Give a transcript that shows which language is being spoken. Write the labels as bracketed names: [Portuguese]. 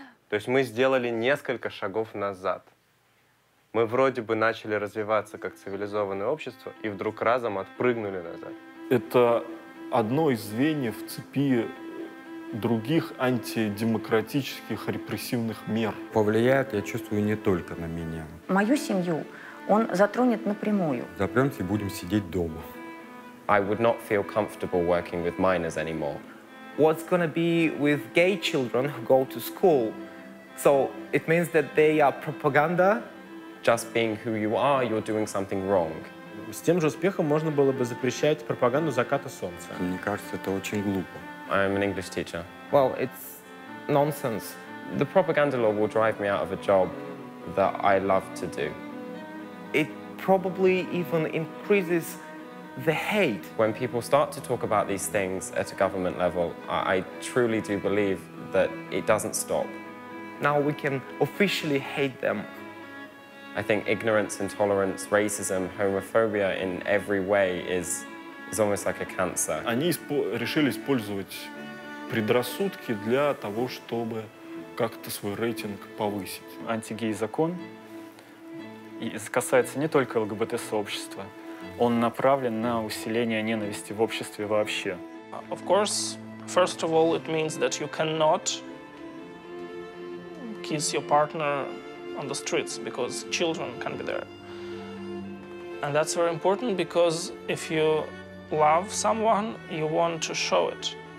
[Russian] То есть мы сделали несколько шагов назад. Мы вроде бы начали развиваться как цивилизованное общество и вдруг разом отпрыгнули назад. Это одно из звеньев в цепи других антидемократических репрессивных мер. Повлияет, я чувствую, не только на меня. Мою семью он затронет напрямую. Запремся и будем сидеть дома. [English] I would not feel comfortable working with minors anymore. What's gonna be with gay children who go to school? So it means that they are propaganda. Just being who you are, you're doing something wrong. [Russian] С тем же успехом можно было бы запрещать пропаганду заката солнца. Мне кажется, это очень глупо. [English] I'm an English teacher. Well, it's nonsense. The propaganda law will drive me out of a job that I love to do. It probably even increases the hate. When people start to talk about these things at a government level, I truly do believe that it doesn't stop. Now we can officially hate them. I think ignorance, intolerance, racism, homophobia in every way is almost like a cancer. [Russian] Они решили использовать предрассудки для того, чтобы как-то свой рейтинг повысить. Антигей закон касается не только ЛГБТ-сообщества. Он направлен на усиление ненависти в обществе вообще. [English] Of course, first of all, it means that you cannot kiss your partner on the streets because children can be there. And that's very important because if you love someone, you want to show it.